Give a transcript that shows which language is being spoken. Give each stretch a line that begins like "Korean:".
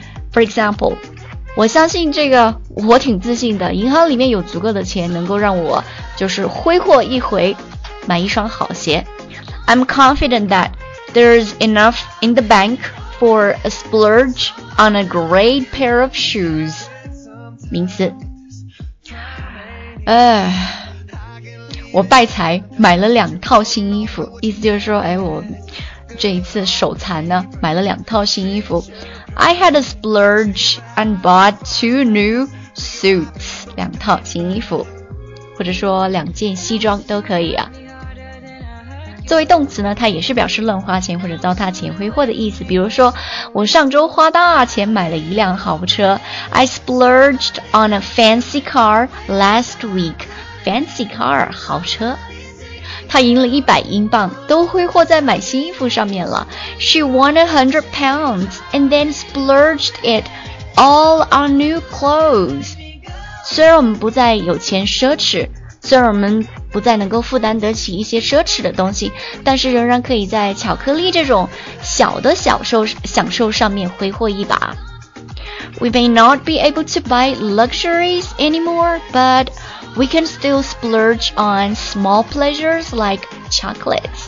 English: For example,
Chinese: 我相信这个，我挺自信的，银行里面有足够的钱能够让我就是挥霍一回买一双好鞋。
English: I'm confident that there's enough in the bank for a splurge on a great pair of shoes.
Chinese: 名词，我败财买了两套新衣服，意思就是说，哎，我这一次手残呢买了两套新衣服。
English: I had a splurge and bought two new suits.
Chinese: 两套新衣服，或者说两件西装都可以啊。作为动词呢，它也是表示乱花钱或者糟蹋钱、挥霍的意思。比如说，我上周花大钱买了一辆豪车。
English: I splurged on a fancy car last week. Fancy car,
Chinese: 豪车。他赢了100英镑，都挥霍在买新衣服上面了。
English: She won £100 and then splurged it all on new clothes.
Chinese: 虽然我们不再有钱奢侈，虽然我们不再能够负担得起一些奢侈的东西，但是仍然可以在巧克力这种小的享受上面挥霍一把。
English: We may not be able to buy luxuries anymore, but we can still splurge on small pleasures like chocolates.